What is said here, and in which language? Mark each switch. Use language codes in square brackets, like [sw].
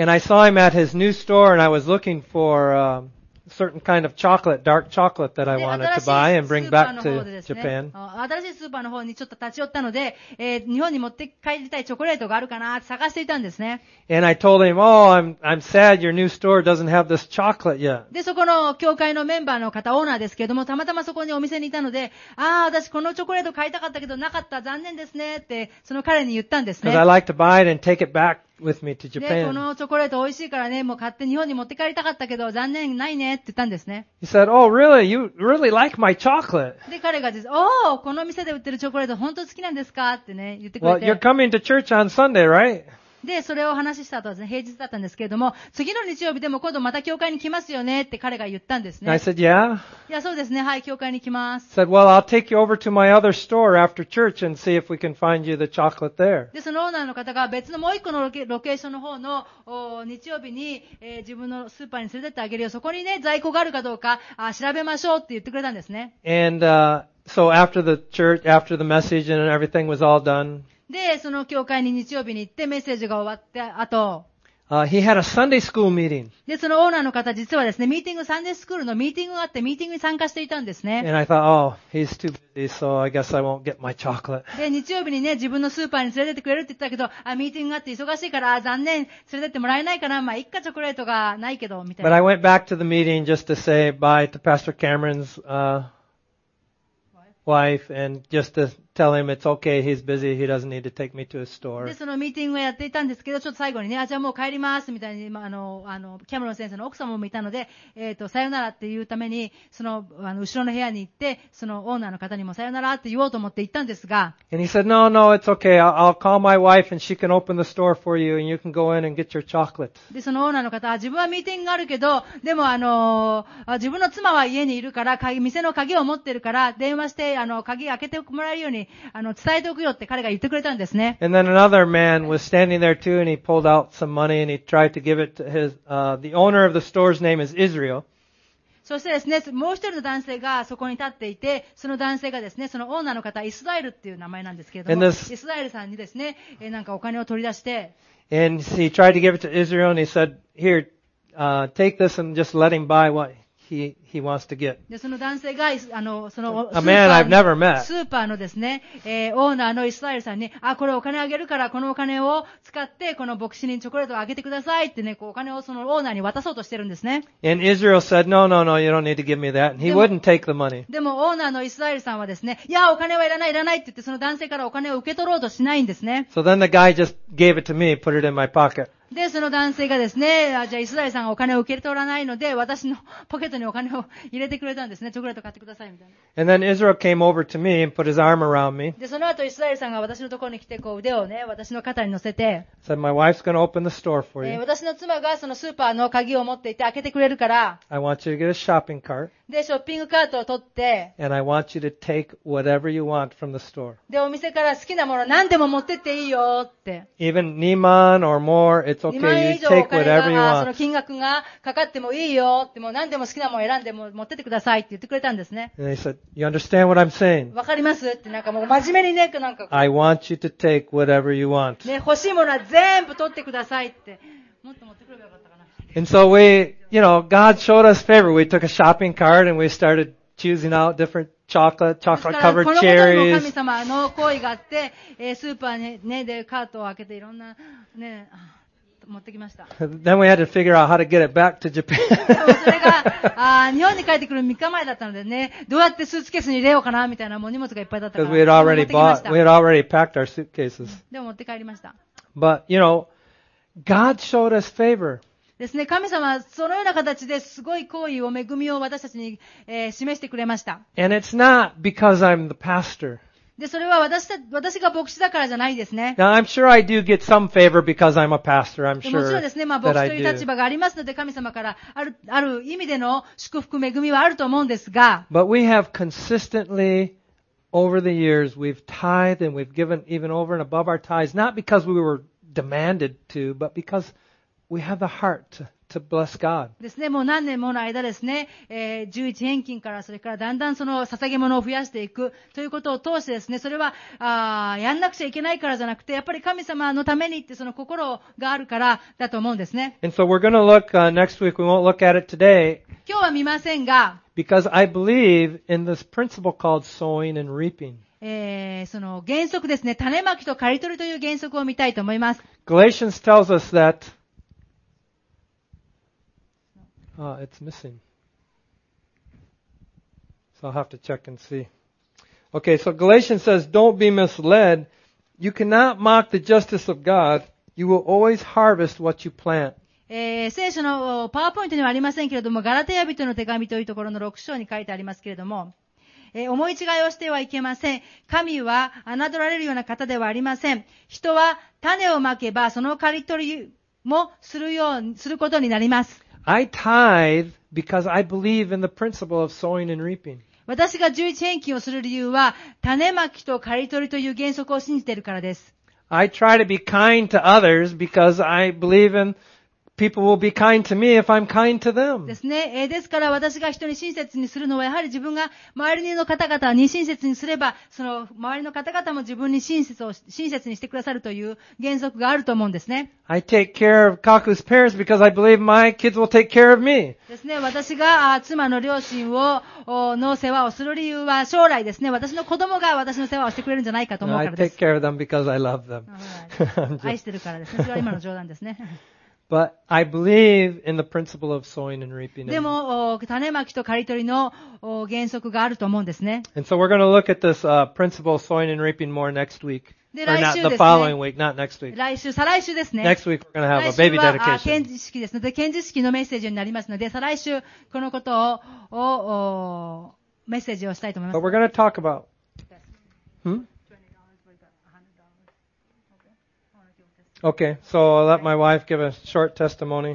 [en] And I saw him at his new store, and I was looking for certain kind of chocolate, dark chocolate that I wanted to buy and bring back to Japan. [ja] 新しいスーパーの方にちょっと立ち寄ったので、日本に持って帰りたいチョコレートがあるかなって探していたんですね。 [en] And I told him, oh, I'm sad your new store doesn't have this chocolate yet. [ja] で、そこの教会のメンバーの方、オーナーですけれども、たまたまそこにお店にいたので、ああ、私このチョコレート買いたかったけどなかった、残念ですねって、その彼に言ったんですね。 [en] Because I like to buy it and take it back. With me to Japan. [ja] このチョコレート美味しいからね、もう買って日本に持って帰りたかったけど残念ないねって言ったんですね。 [en] He said, "Oh, really? You really like my chocolate?" [ja] で彼がです、oh, この店で売ってるチョコレート本当好きなんですかってね言ってくれて。 [en] Well, you're coming to church on Sunday, right? [ja] で、それを話した後はですね、平日だったんですけれども、次の日曜日でも今度また教会に来ますよねって彼が言ったんですね。 [en] I said, yeah. [ja] いや、そうですね。はい、教会に来ます。 [en] Said, well, I'll take you over to my other store after church and see if we can find you the chocolate there. [ja] で、そのオーナーの方が別のもう一個のロケーションの方の日曜日に、自分のスーパーに連れてってあげるよ。そこにね、在庫があるかどうか、調べましょうって言ってくれたんですね。 [en] And, so after the church, after the message and everything was all done, [ja] で、その教会に日曜日に行ってメッセージが終わって、あと、 [en] he had a Sunday school meeting. [ja] で、そのオーナーの方実はですね、ミーティング、サンデースクールのミーティングがあって、ミーティングに参加していたんですね。 [en] And I thought, oh, he's too busy, so I guess I won't get my chocolate. [ja] で、日曜日にね、自分のスーパーに連れてってくれるって言ったけど、あ、ミーティングがあって忙しいから、残念、連れてってもらえないかな、まあ、一家チョコレートがないけど、みたいな。 [en] But I went back to the meeting just to say bye to Pastor Cameron's, wife and just to tell him it's okay, he's busy, he doesn't need to take me to a store. [ja] で、そのミーティングをやっていたんですけど、ちょっと最後にね、あ、じゃあもう帰りますみたいに、キャメロン先生の奥様もいたので、さよならっていうために、その後ろの部屋に行って、そのオーナーの方にもさよならって言おうと思って行ったんですが。 [en] And he said, no, no, it's okay, I'll call my wife and she can open the store for you and you can go in and get your chocolate. [ja] で、そのオーナーの方は、自分はミーティングがあるけど、でも自分の妻は家にいるから、店の鍵を持ってるから、電話して、鍵開けてもらえるように、伝えておくよって彼が言ってくれたんですね。 [en] And then another man was standing there too, and he pulled out some money and he tried to give it to his, the owner of the store's name is Israel. [ja] そしてですね、もう一人の男性がそこに立っていて、その男性がですね、そのオーナーの方、イスラエルっていう名前なんですけれども、 [en] And this, [ja] イスラエルさんにですね、なんかお金を取り出して、 [en] And he tried to give it to Israel and he said, here, take this and just let him buy what he wants to get. [ja] で、その男性が、 [en] A man I've never met. [ja] スーパーのですね、オーナーのイスラエルさんに、あ、これお金あげるから、このお金を使って、この牧師にチョコレートをあげてくださいってね、こうお金をそのオーナーに渡そうとしてるんですね。 [en] And Israel said, no, no, no, you don't need to give me that. And he wouldn't take the money. [ja] でも、オーナーのイスラエルさんはですね、いや、お金はいらない、いらないって言って、その男性からお金を受け取ろうとしないんですね。 [en] So then the guy just gave it to me, put it in my pocket. [ja] で、その男性がですね、じゃあイスラエルさんがお金を受け取らないので、私のポケットにお金を入れてくれたんですね。チョコレート買ってくださいみたいな。 [en] And then Israel came over to me and put his arm around me. [ja] で、その後イスラエルさんが私のところに来て、こう腕をね、私の肩に乗せて、 [en] Said, my wife's gonna open the store for you. [ja] 私の妻がそのスーパーの鍵を持っていて開けてくれるから、 [en] I want you to get a shopping cart. [ja] で、ショッピングカートを取って、 [en] And I want you to take whatever you want from the store. [ja] で、お店から好きなもの何でも持ってっていいよって。 [en] Even 2万 or more, it's Okay, you take whatever you want. [ja] その金額がかかってもいいよって、もう何でも好きなもの選んでも持っててくださいって言ってくれたんですね。 [en] And they said, you understand what I'm saying? [ja] わかりますって、なんかもう真面目にね、なんか。 [en] I want you to take whatever you want. [ja] ね、欲しいものは全部取ってくださいって。もっと持ってくればよかったかな。 [en] And so we, you know, God showed us favor. We took a shopping cart and we started choosing out different chocolate covered cherries. [ja] この神様の行為があって、スーパーにね、で、カートを開けていろんな、ね、持ってきました。 [en] Then we had to figure out how to get it back to Japan. [ja] それが日本に帰ってくる3日前だったのでね、どうやってスーツケースに入れようかなみたいな、もう荷物がいっぱいだったから。 [en] Because we had already bought, we had already packed our suitcases. [ja] でも持って帰りました。 [en] But you know, God showed us favor. [ja] ですね、神様はそのような形ですごい好意を恵みを私たちに、示してくれました。 [en] And it's not because I'm the pastor. [ja] で、それは私が牧師だからじゃないですね。 [en] Now, I'm sure I do get some favor because I'm a pastor. I'm sure. [ja] もちろんですね。まあ、牧師という立場がありますので、神様からある意味での祝福恵みはあると思うんですが。 [en] But we have consistently, over the years, we've tithed and we've given even over and above our tithes, not because we were demanded to, but because we have the heart to bless God. [ja] ですね。もう何年もの間ですね、11返金からそれからだんだんその捧げ物を増やしていくということを通してですね、それはやんなくちゃいけないからじゃなくて、やっぱり神様のためにってその心があるからだと思うんですね。 [en] And so we're gonna look, next week, we won't look at it today. [ja] 今日は見ませんが、 [en] because I believe in this principle called sowing and reaping. [ja] その原則ですね、種まきと刈り取りという原則を見たいと思います。 [en] Galatians tells us that it's missing. So I'll have to check and see. Okay, so Galatians says, don't be misled. You cannot mock the justice of God. You will always harvest what you plant. [ja] 聖書のパワーポイントにはありませんけれども、ガラテヤ人の手紙というところの6章に書いてありますけれども、思い違いをしてはいけません。神は侮られるような方ではありません。人は種をまけばその刈り取りもするようすることになります。 [en] I tithe because I believe in the principle of sowing and reaping. [ja] 私が十一返金をする理由は種まきと刈り取りという原則を信じているからです。 [en] I try to be kind to others because I believe in people will be kind to me if I'm kind to them. [ja] ですね。ですから私が人に親切にするのはやはり自分が周りの方々に親切にすればその周りの方々も自分に親切にしてくださるという原則があると思うんですね。 [en] I take care of Kaku's parents because I believe my kids will take care of me. [ja] ですね。私が妻の両親をの世話をする理由は将来ですね。私の子供が私の世話をしてくれるんじゃないかと思うからです。 [en] I take care of them because I love them. [ja] 愛してるからです。それは今の冗談ですね。 [en] But I believe in the principle of sowing and reaping. [ja] でも種まきと刈り取りの原則があると思うんですね。 [en] And so we're going to look at this principle of sowing and reaping more next week. [ja] で来週ですね。 [en] The following week, not next week. [ja] 来週、再来週ですね。 [en] Next week we're going to have a baby dedication. [ja] 来週は献辞式ですので、献辞式のメッセージになりますので、再来週このことをメッセージをしたいと思います。 [en] But we're going to talk about. Okay, so I'll let my wife give a short testimony.